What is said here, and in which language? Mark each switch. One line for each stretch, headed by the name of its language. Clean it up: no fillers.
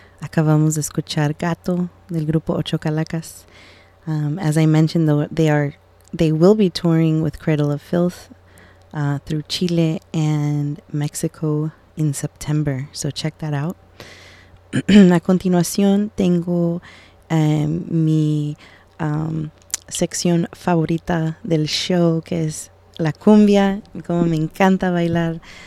Spanish: Acabamos de escuchar Gato del Grupo Ocho Calacas.
English: As I mentioned, they will be touring with Cradle of Filth through Chile and Mexico in September, so check that out.
Spanish: A continuación, tengo mi sección favorita del show, que es la cumbia, como me encanta bailar.